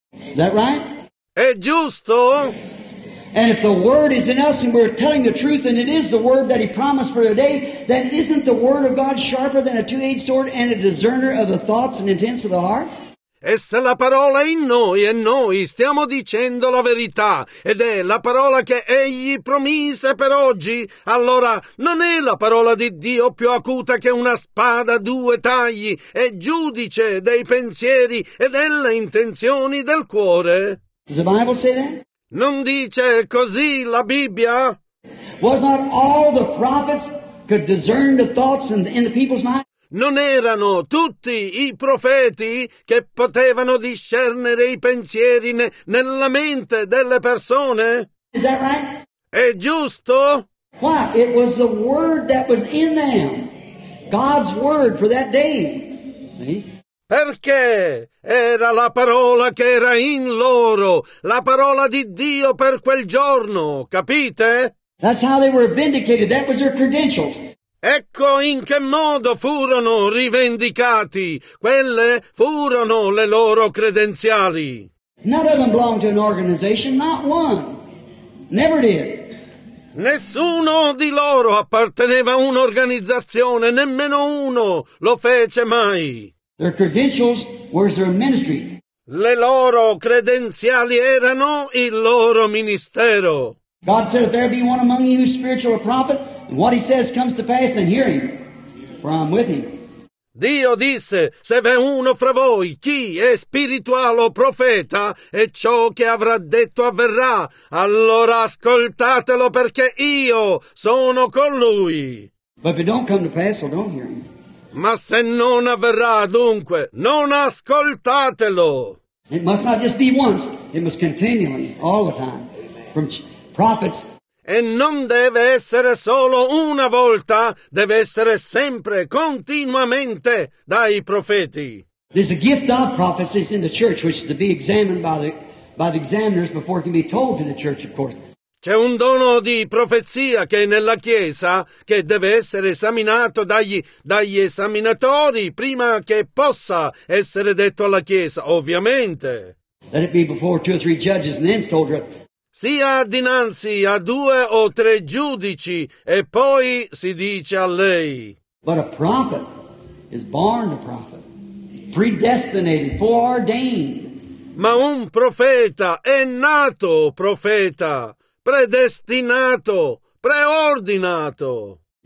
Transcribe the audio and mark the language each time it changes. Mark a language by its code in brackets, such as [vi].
[en] Is that right? [it] È giusto? [en] And if the word is in us and we're telling the truth and it is the word that he promised for today, then isn't the word of God sharper than a two-edged sword and a discerner of the thoughts and intents of the heart? [it] E se la parola è in noi e noi stiamo dicendo la verità ed è la parola che egli promise per oggi, allora non è la parola di Dio più acuta che una spada a due tagli, è giudice dei pensieri e delle intenzioni del cuore? [en] Does the Bible say that? [it] Non dice così la Bibbia? [en] Was not all the prophets could discern the thoughts in the people's mind? [it] Non erano tutti i profeti che potevano discernere i pensieri nella mente delle persone? [en] Is that right? [it] È giusto? [en] Why? It was the word that was in them. God's word for that day. See? [it] Perché era la parola che era in loro, la parola di Dio per quel giorno, capite? [en] That's how they were vindicated. That was their credentials. [it] Ecco in che modo furono rivendicati. Quelle furono le loro credenziali. [en] None of them belonged to an organization, not one. Never did. [it] Nessuno di loro apparteneva a un'organizzazione, nemmeno uno lo fece mai. [en] Their credentials were their ministry. [it] Le loro credenziali erano il loro ministero. [en] God said, if there be one among you spiritual or prophet, and what he says comes to pass, then hear him, for I'm with him. [it] Dio disse, se v'è uno fra voi, chi è spirituale o profeta, e ciò che avrà detto avverrà, allora ascoltatelo perché io sono con lui. [en] But if it don't come to pass, well, don't hear him. [it] Ma se non avverrà, dunque, non ascoltatelo. [en] It must not just be once, it must continually, all the time, from prophets. [it] e non deve essere solo una volta, deve essere sempre, continuamente dai profeti. [en] There's a gift of prophecy in the church which is to be examined by the examiners before it can be told to the church, of course. [it] C'è un dono di profezia che è nella Chiesa, che deve essere esaminato dagli esaminatori prima che possa essere detto alla Chiesa, ovviamente. [en] Let it be before two or three judges and then told it. [it] Sia dinanzi a due o tre giudici e poi si dice a lei. [en] But a prophet is born a prophet, predestinated, foreordained. [it] Ma un profeta è nato profeta. Predestinato, preordinato.